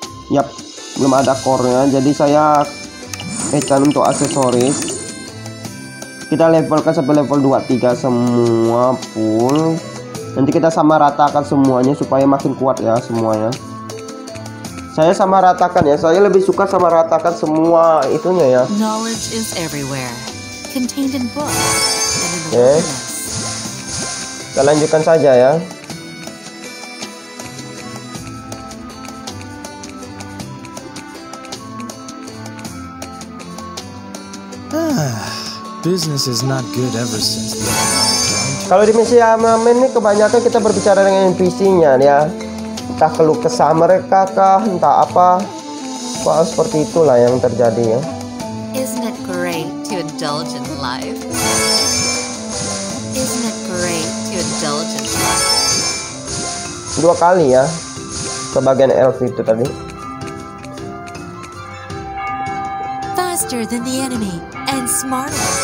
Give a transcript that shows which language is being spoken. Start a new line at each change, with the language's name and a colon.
Indonesian: Yap, belum ada core-nya. Jadi saya ecan untuk aksesoris. Kita levelkan sampai level 2-3 semua full. Nanti kita sama ratakan semuanya supaya makin kuat ya semuanya. Saya sama ratakan ya. Saya lebih suka sama ratakan semua itunya ya.
English: Knowledge is everywhere, contained in books and in the wilderness.
Indonesian: Kita lanjutkan saja ya.
English: Business is not good ever since.
Indonesian: Kalau di misi armament ini kebanyakan kita berbicara dengan NPC-nya ya. Entah keluh kesah mereka kah, entah apa. Wah, seperti itulah yang terjadi ya.
English: Isn't it great to indulge in life? Isn't it great to indulge in life?
Indonesian: Dua kali ya ke bagian elf itu tadi.
English: Faster than the enemy and smarter.